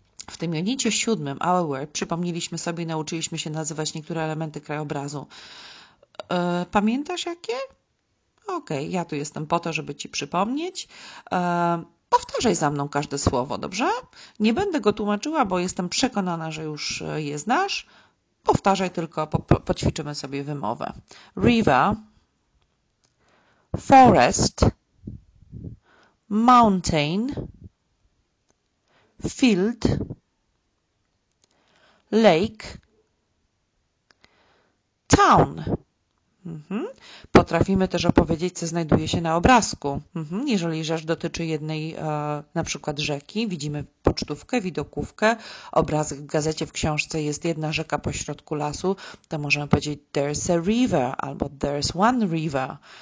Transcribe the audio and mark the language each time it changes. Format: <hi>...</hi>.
<pl>W tym unicie 7, Our World, przypomnieliśmy sobie, nauczyliśmy się nazywać niektóre elementy krajobrazu. Pamiętasz jakie? Okej, ja tu jestem po to, żeby Ci przypomnieć. Powtarzaj za mną każde słowo, dobrze? Nie będę go tłumaczyła, bo jestem przekonana, że już je znasz. Powtarzaj tylko, poćwiczymy sobie wymowę.</pl> <en>River, forest, mountain, field, lake, town.</en> <pl>Potrafimy też opowiedzieć, co znajduje się na obrazku. Jeżeli rzecz dotyczy jednej, na przykład rzeki, widzimy pocztówkę, widokówkę, obrazek w gazecie, w książce jest jedna rzeka pośrodku lasu, to możemy powiedzieć</pl> <en>there's a river</en> <pl>albo</pl> <en>there's one river.</en>